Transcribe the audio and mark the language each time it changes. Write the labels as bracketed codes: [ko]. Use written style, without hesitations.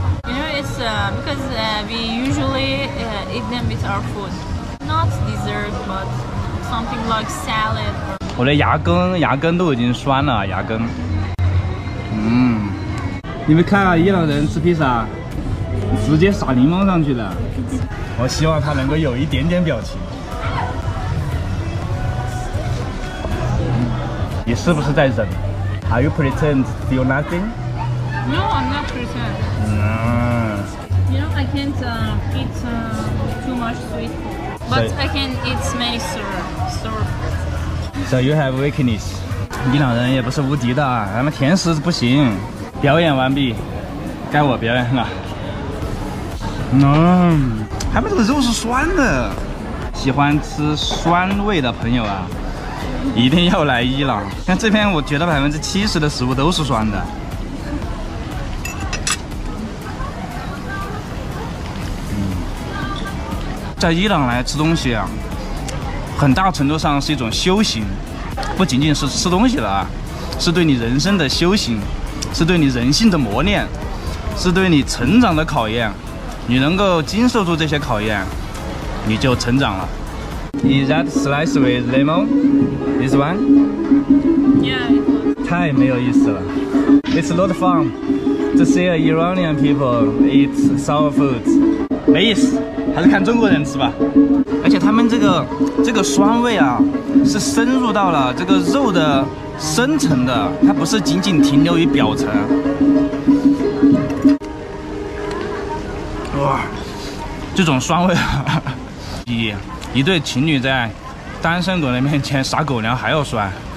[en] You know, it's because we usually eat them with our food. Not dessert, but something like salad. [zh] 我的牙根都已经酸了，牙根。嗯。你们看啊，伊朗人吃披萨，直接撒柠檬上去的。我希望他能够有一点点表情。你是不是在忍 [en] ？Are you pretend feel nothing? No, I'm not pretend. You know, I can't eat too much sweet, but so, I can eat many sour. So you have weakness. [zh] 伊朗人也不是无敌的啊，他们甜食不行。表演完毕，该我表演了。嗯、他们这个肉是酸的。喜欢吃酸味的朋友啊，一定要来伊朗。像这边，我觉得70%的食物都是酸的。在伊朗来吃东西啊，很大程度上是一种修行，不仅仅是吃东西了啊，是对你人生的修行，是对你人性的磨练，是对你成长的考验。你能够经受住这些考验，你就成长了。 [en] Is that slice with lemon? This one? Yeah. [zh] 太没有意思了。 [en] It's not fun to see Iranian people eat sour foods. [zh] 没意思。还是看中国人吃吧，而且他们这个酸味啊，是深入到了这个肉的深层的，它不是仅仅停留于表层。哇，这种酸味啊，比一对情侣在单身狗的面前撒狗粮还要酸。